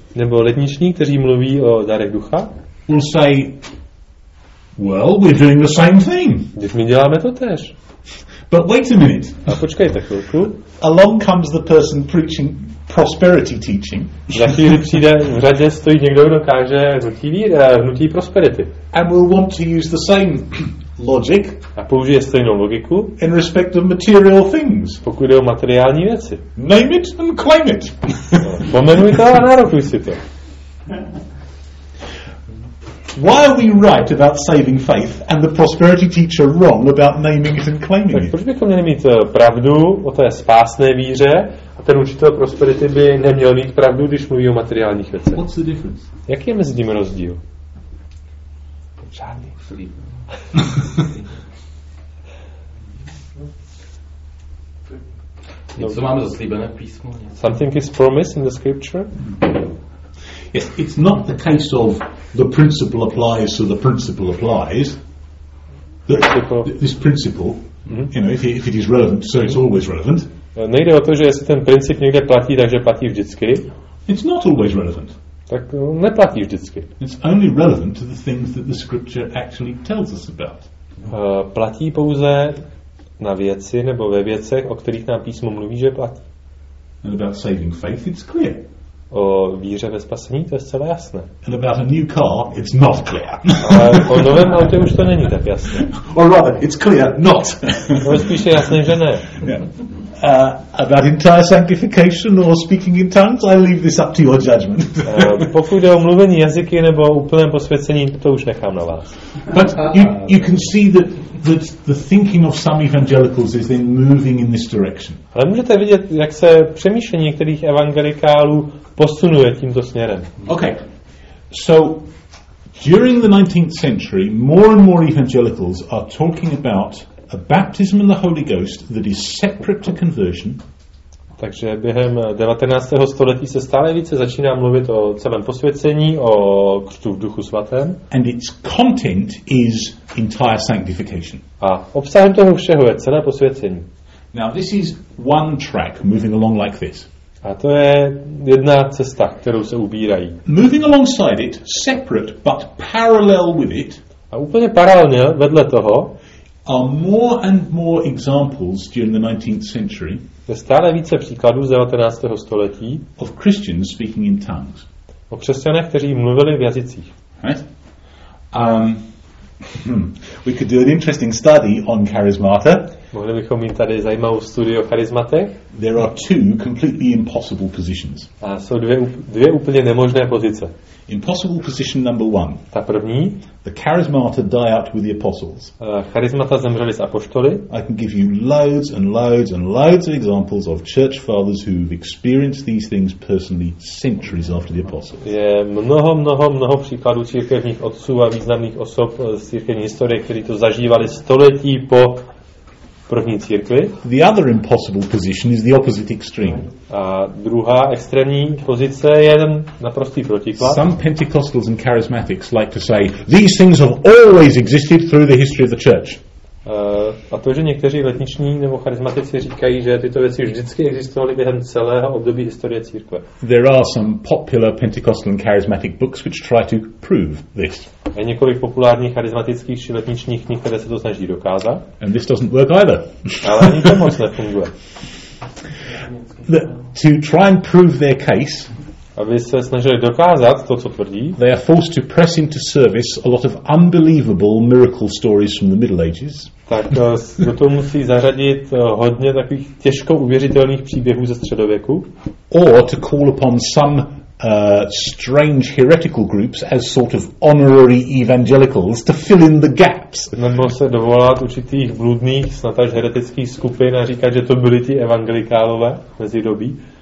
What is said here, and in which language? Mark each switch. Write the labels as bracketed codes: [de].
[cs] Nebo letniční, kteří mluví o darech ducha. [en] Will say, well, we're doing the same thing. [cs] Když my děláme to též. [en] But wait a minute. [cs] A počkejte chvilku. [en] Along comes the person preaching prosperity teaching. [cs] Za chvíli přijde v řadě stojí někdo, kdo káže hnutí víry, hnutí prosperity. [en] And we'll want to use the same logic. [cs] A použije stejnou logiku. [en] In respect of material things. [cs] Pokud jde o materiální věci. [en] Name it and claim it. [cs] Pomenuj to a nárokuj si to. [en] Why are we right about saving faith and the prosperity teacher wrong about naming it and claiming it? [cs] Proč bychom měli mít pravdu o té spásné víře a ten učitel prosperity by neměl mít pravdu, když mluví o materiálních věcech? What's the difference? Jaký je mezi tím rozdíl? Žádný. Něco máme zaslíbené v písmu. [en] Something is promised in the scripture. Yes, it's not the case of the principle applies, so the principle applies. This principle, you know, if it is relevant, so it's always relevant. [cs] Nejde o to, že jestli ten princip někde platí, takže platí vždycky. [en] It's not always relevant. [cs] Tak neplatí vždycky. [en] It's only relevant to the things that the scripture actually tells us about. [cs] Platí pouze na věci nebo ve věcech, o kterých nám písmo mluví, že platí. [en] And about saving faith, it's clear. [cs] o víře ve spasení, to je zcela jasné. [en] And about a new car, it's not clear. [cs] O novém autě už to není tak jasné. [en] Or rather, it's clear not. [cs] No, spíš je jasné, že ne. [en] About entire sanctification or speaking in tongues, I leave this up to your judgment. [cs] Pokud jde o mluvení jazyky nebo o úplném posvěcení, to už nechám na vás. [en] But you can see that the thinking of some evangelicals is then moving in this direction. [cs] Ale můžete vidět, jak se přemýšlení některých evangelikálů posunuje tímto směrem. [en] Okay. So during the 19th century, more and more evangelicals are talking about a baptism in the Holy Ghost that is separate to conversion. [cs] Takže během 19. století se stále více začíná mluvit o celém posvěcení, o křtu v Duchu svatém. [en] And its content is entire sanctification. [cs] A obsahem toho všeho je celé posvěcení. [en] Now this is one track moving along like this. [cs] A to je jedna cesta, kterou se ubírají. [en] Moving alongside it, separate but parallel with it. [cs] A úplně paralelně vedle toho [en] are more and more examples during the 19th century. [cs] Je stále více příkladů z 19. století [en] of Christians speaking in tongues. [cs] O křesťanech, kteří mluvili v jazycích. [en] We could do an interesting study on charismata. [cs] Mohli bychom mít tady zajímavou studii o charismatech. [en] There are two completely impossible positions. [cs] A jsou dvě úplně nemožné pozice. [en] Impossible position number one. [cs] Ta první. [en] The charismata die out with the apostles. [cs] Charismata zemřeli s apoštoly. [en] I can give you loads and loads and loads of examples of church fathers who've experienced these things personally centuries after the apostles. [cs] Je mnoho příkladů církevních otců a významných osob z církevní historie, kteří to zažívali století po první církvi. [en] The other impossible position is the opposite extreme. [cs] A druhá extrémní pozice je ten naprostý protiklad. [en] Some Pentecostals and charismatics like to say these things have always existed through the history of the church. [cs] A to, že někteří letniční nebo charismatici říkají, že tyto věci vždycky existovaly během celého období historie církve. [en] There are some popular Pentecostal and charismatic books which try to prove this. [cs] Je několik populárních charismatických či letničních knih, které se to snaží dokázat. [en] And this doesn't work either. [cs] Ale ani to moc nefunguje. [en] To try and prove their case. [cs] Aby se snažili dokázat to, co tvrdí. [en] They are forced to press into service a lot of unbelievable miracle stories from the Middle Ages. [cs] Tak do toho musí zařadit hodně takových těžko uvěřitelných příběhů ze středověku. [en] Or to call upon some strange heretical groups as sort of honorary evangelicals to fill in the gaps. [cs] Nebo se dovolat určitých bludných, snad až heretických skupin a říkat, že to byli ti evangelikálové mezi dobí.